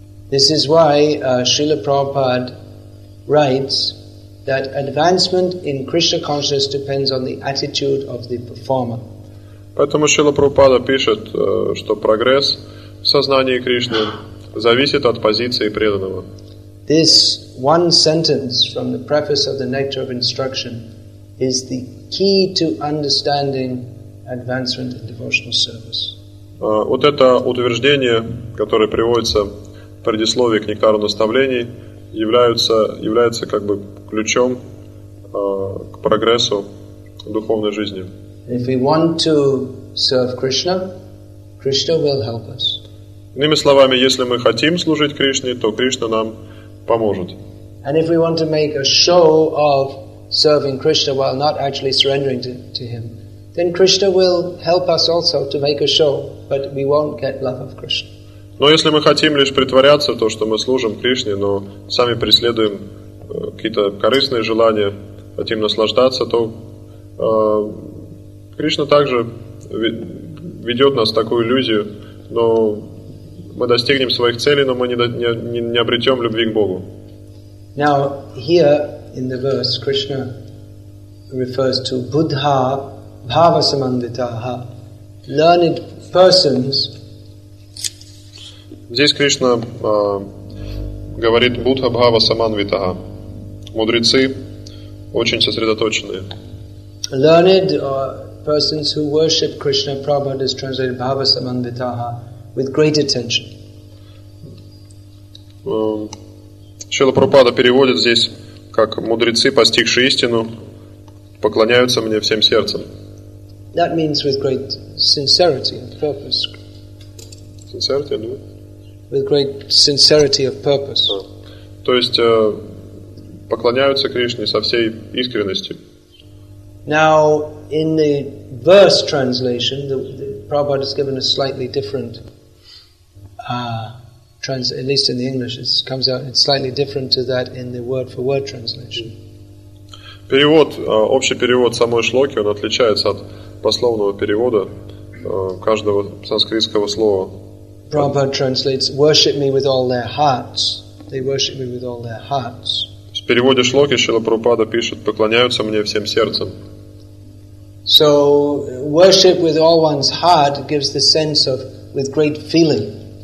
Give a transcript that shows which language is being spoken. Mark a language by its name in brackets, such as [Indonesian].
[English] This is why Srila Prabhupada writes that advancement in Krishna consciousness depends on the attitude of the performer. [Russian] Поэтому Шрила Прабхупада пишет, что прогресс в сознании Кришны зависит от позиции преданного. [English] This one sentence from the preface of the Nectar of Instruction is the key to understanding advancement in devotional service. [Russian] Вот это утверждение, которое приводится в предисловии к Нектару Наставлений, является как бы ключом к прогрессу духовной жизни. [English] If we want to serve Krishna, Krishna will help us. [Russian] Иными словами, если мы хотим служить Кришне, то Кришна нам поможет. [English] And if we want to make a show of serving Krishna while not actually surrendering to him, then Krishna will help us also to make a show, but we won't get love of Krishna. [Russian] Но если мы хотим лишь притворяться то, что мы служим Кришне, но сами преследуем какие-то корыстные желания, хотим наслаждаться, то Кришна также ведет нас в такую иллюзию, но мы достигнем своих целей, но мы не обретем любви к Богу. [English] Now, here in the verse, Krishna refers to Buddha Bhavasamanditaha, learned persons. [Russian] Здесь Кришна говорит Будха Бхава Саманвитаха. Мудрецы очень сосредоточенные. [English] Learned persons who worship Krishna, Prabhupada is translated Bhava Samanvitaha with great attention. [Russian] Шрила Прабхупада переводит здесь как мудрецы, постигшие истину, поклоняются мне всем сердцем. [English] That means with great sincerity and purpose. Sincerity, no? With great sincerity of purpose. [Russian] То есть поклоняются Кришне со всей искренностью. [English] Now, in the verse translation, the Prabhupada has given a slightly different at least in the English, it comes out, it's slightly different to that in the word-for-word translation. [Russian] Перевод, общий перевод самой шлоки, он отличается от пословного перевода каждого санскритского слова. [English] Prabhupada translates, worship me with all their hearts. They worship me with all their hearts. [Russian] В переводе шлоки Шрила Прабхупада пишет, поклоняются мне всем сердцем. [English] So, worship with all one's heart gives the sense of with great feeling.